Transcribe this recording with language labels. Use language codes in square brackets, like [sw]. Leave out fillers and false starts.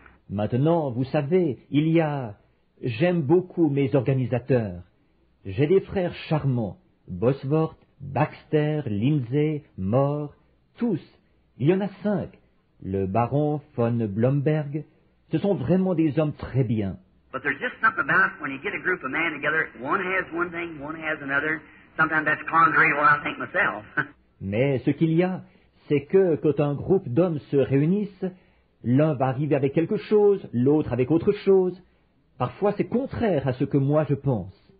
[fr] Maintenant, vous savez, il y a... J'aime beaucoup mes organisateurs. J'ai des frères charmants, Bosworth, Baxter, Lindsay, Moore, tous. Il y en a cinq. Le baron von Blomberg, ce sont vraiment des hommes très bien. [en] But there's just something about when you get a group of men together, one has one thing, one has another. Sometimes that's contrary to what I think myself. [fr] Mais ce qu'il y a... C'est que quand un groupe d'hommes se réunissent, l'un va arriver avec quelque chose, l'autre avec autre chose. Parfois, c'est contraire à ce que moi je pense.